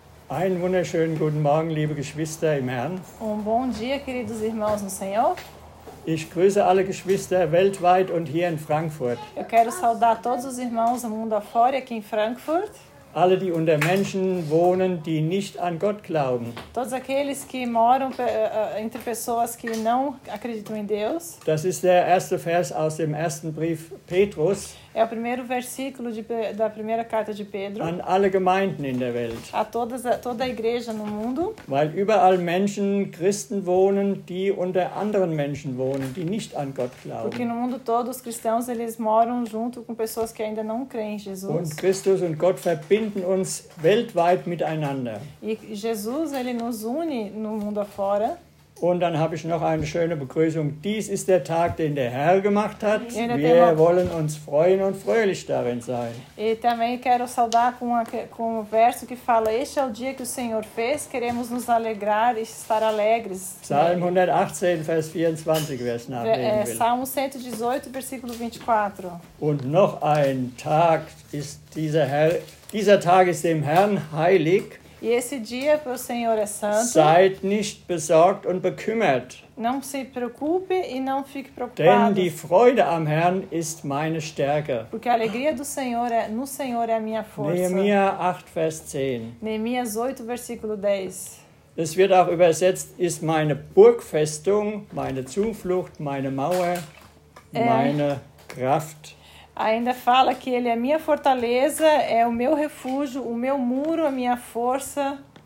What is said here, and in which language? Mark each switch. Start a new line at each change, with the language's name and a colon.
German: Einen wunderschönen guten Morgen, liebe Geschwister im Herrn.
Portuguese: Un bon dia, queridos irmãos no Senhor.
German: Ich grüße alle Geschwister weltweit und hier in Frankfurt.
Portuguese: Eu quero saudar todos os irmãos do mundo afora aqui em Frankfurt.
German: Alle, die unter Menschen wohnen, die nicht an Gott glauben.
Portuguese: Todos aqueles que moram entre pessoas que não acreditam em Deus.
German: Das ist der erste Vers aus dem ersten Brief Petrus.
Portuguese: É o primeiro versículo da primeira carta de Pedro.
German: An alle Gemeinden in der Welt.
Portuguese: A toda a igreja no mundo.
German: Weil überall Menschen, Christen wohnen, die unter anderen Menschen wohnen, die nicht an Gott glauben.
Portuguese: Porque no mundo todo os cristãos eles moram junto com pessoas que ainda não creem em Jesus.
German: Und Christus und Gott verbinden uns weltweit miteinander.
Portuguese: E Jesus ele nos une no mundo afora.
German: Und dann habe ich noch eine schöne Begrüßung. Dies ist der Tag, den der Herr gemacht hat. Wir wollen uns freuen und fröhlich darin sein.
Portuguese: E também quero saudar com o verso que fala: Este é o dia que o Senhor fez. Queremos nos alegrar e estar alegres.
German: Psalm 118, Vers 24, wer es nachlesen will.
Portuguese: Salmo 118, versículo 24.
German: Und noch ein Tag ist dieser Herr. Dieser Tag ist dem Herrn heilig.
Portuguese: E esse dia para o Senhor é santo.
German: Seid nicht besorgt und bekümmert.
Portuguese: Não se preocupe e não fique preocupado.
German: Denn die Freude am Herrn ist meine Stärke.
Portuguese: Porque a alegria do Senhor é, no Senhor é a minha força.
German: Neemias 8, Vers 10.
Portuguese: Neemias 8, versículo 10.
German: Es wird auch übersetzt, ist meine Burgfestung, meine Zuflucht, meine Mauer, meine Kraft.
Portuguese: Ainda fala que ele é minha fortaleza, é o meu refúgio, o meu muro, a minha força.